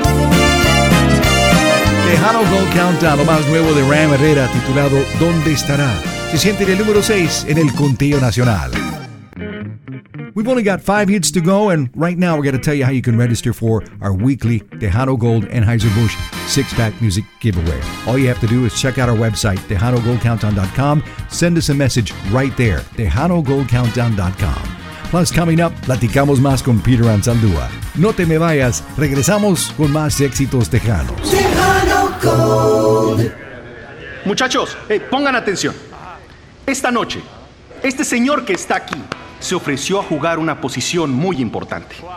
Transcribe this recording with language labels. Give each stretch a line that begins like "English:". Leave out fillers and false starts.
Spanish: Mexicano con Countdown, lo más nuevo de Ram Herrera, titulado ¿Dónde estará? Se siente en el número 6 en el conteo nacional.
English: We've only got 5 hits to go, and right now we're going to tell you how you can register for our weekly Tejano Gold Anheuser-Busch 6-pack music giveaway. All you have to do is check out our website, TejanoGoldCountdown.com. Send us a message right there, TejanoGoldCountdown.com. Plus, coming up,
Spanish: platicamos más con Peter Anzaldúa. No te me vayas, regresamos con más éxitos tejanos. Tejano Gold. Muchachos, pongan atención. Esta noche, este señor que está aquí se ofreció a jugar una posición muy importante.